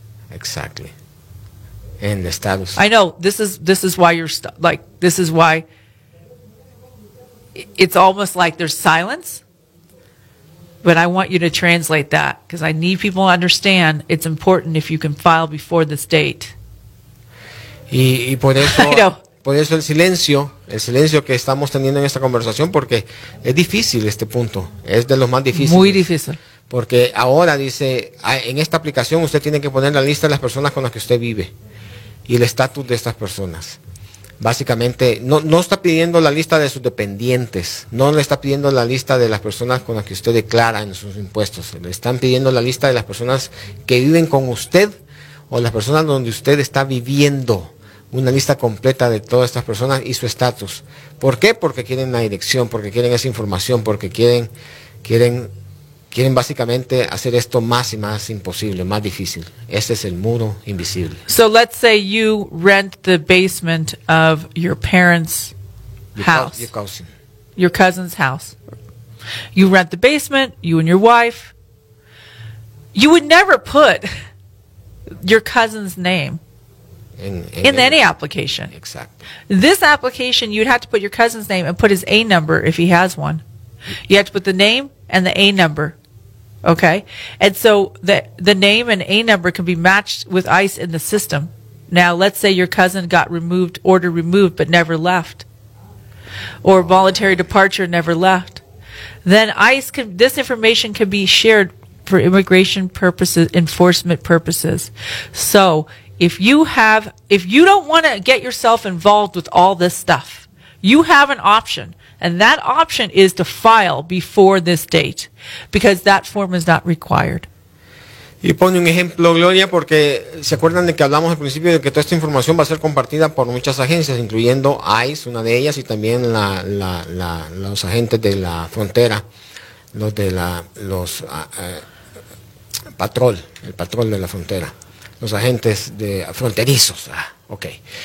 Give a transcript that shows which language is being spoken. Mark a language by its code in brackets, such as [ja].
[en] Exactly. And the status. I know, this is why you're this is why it's almost like there's silence. But I want you to translate that, because I need people to understand it's important if you can file before this date. [es] Y por eso el silencio que estamos teniendo en esta conversación, porque es difícil este punto, es de los más difíciles. Muy difícil. Porque ahora dice, en esta aplicación usted tiene que poner la lista de las personas con las que usted vive. y el estatus de estas personas. Básicamente, no está pidiendo la lista de sus dependientes, no le está pidiendo la lista de las personas con las que usted declara en sus impuestos, le están pidiendo la lista de las personas que viven con usted o las personas donde usted está viviendo, una lista completa de todas estas personas y su estatus. ¿Por qué? Porque quieren la dirección, porque quieren esa información, porque quieren básicamente hacer esto más y más imposible, más difícil. Ese es el muro invisible. [en] So let's say you rent the basement of your parents' house. Your cousin. Your cousin's house. You rent the basement, you and your wife. You would never put your cousin's name in any application. Exactly. This application, you'd have to put your cousin's name and put his A number if he has one. You have to put the name and the A number. Okay, and so the name and A number can be matched with ICE in the system. Now, let's say your cousin got removed, order removed, but never left, or voluntary departure, never left. Then ICE can, this information can be shared for immigration purposes, enforcement purposes. So if you don't want to get yourself involved with all this stuff, you have an option. And that option is to file before this date, because that form is not required. [es] Y pone un ejemplo, Gloria, porque se acuerdan de que hablamos al principio de que toda esta información va a ser compartida por muchas agencias, incluyendo ICE, una de ellas, y también los agentes de la frontera, el patrol de la frontera, los agentes de fronterizos. Okay.